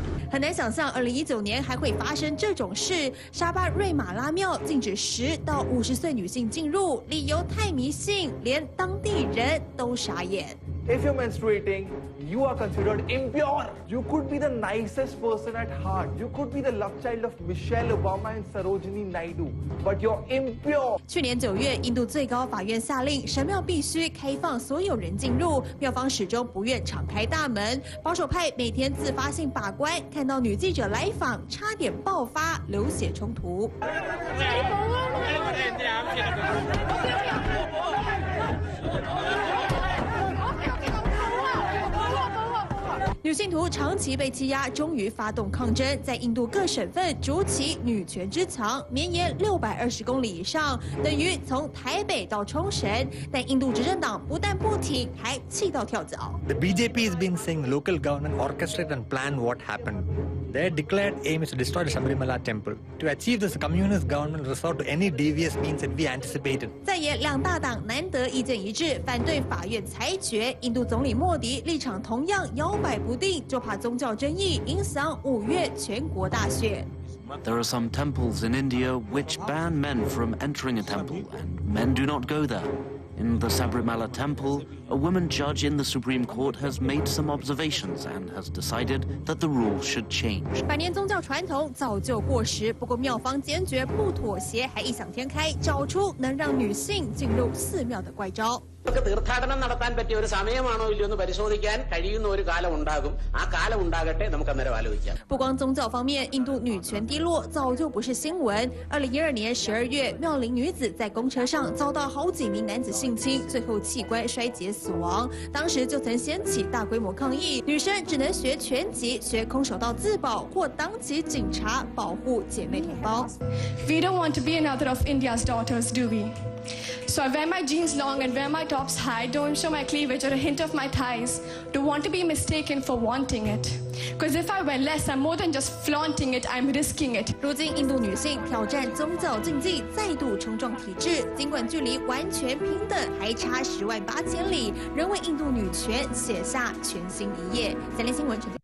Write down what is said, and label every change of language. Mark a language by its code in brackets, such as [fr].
[zh] 很难想象2019年还会发生这种事。沙巴瑞马拉庙禁止10到50岁女性进入，理由太迷信，连当地人都傻眼。 [en] If you're menstruating, you are considered impure. You could be the nicest person at heart. You could be the love child of Michelle Obama and Sarojini Naidu, but you're impure. [zh] 去年9月，印度最高法院下令神庙必须开放所有人进入，庙方始终不愿敞开大门。保守派每天自发性把关，看到女记者来访，差点爆发流血冲突。女信徒长期被欺压，终于发动抗争，在印度各省份筑起女权之墙，绵延620公里以上，等于从台北到冲绳。但印度执政党不但不停，还气到跳脚。 [en] The BJP has been saying local government orchestrated and planned what happened. Their declared aim is to destroy the Sabarimala temple. To achieve this, communist government resort to any devious means that we anticipated. [zh] 再言，两大党难得意见一致，反对法院裁决。印度总理莫迪立场同样摇摆不定，就怕宗教争议影响5月全国大选。 [en] There are some temples in India which ban men from entering a temple, and men do not go there. In the Sabarimala temple, a woman judge in the Supreme Court has made some observations and has decided that the rule should change. [zh] 百年宗教传统早就过时，不过庙方坚决不妥协，还异想天开，找出能让女性进入寺庙的怪招。 [ml] ഇതൊക്കെ തീർത്ഥാടനം നടത്താൻ പറ്റിയ ഒരു സമയമാണോ ഇല്ലയോ എന്ന് പരിശോധിക്കാൻ കഴിയുന്ന ഒരു കാലം ഉണ്ടാകും ആ കാലം ഉണ്ടാകട്ടെ നമുക്ക് അന്നേരം ആലോചിക്കാം [zh] 不光宗教方面，印度女权低落早就不是新闻。2012年12月，妙龄女子在公车上遭到好几名男子性侵，最后器官摔解死亡。当时就曾掀起大规模抗议，女生只能学拳击，学空手道自保，或当起警察保护姐妹同胞。 [en] We don't want to be another of India's daughters, do we? So I wear my jeans long and wear my tops high, don't show my cleavage or a hint of my thighs. Don't want to be mistaken for wanting it. Because if I wear less, I'm more than just flaunting it, I'm risking it. [zh] 如今印度女性挑战宗教禁忌，再度冲撞体制，尽管距离完全平等还差十万八千里，仍为印度女权写下全新一页。三立新闻。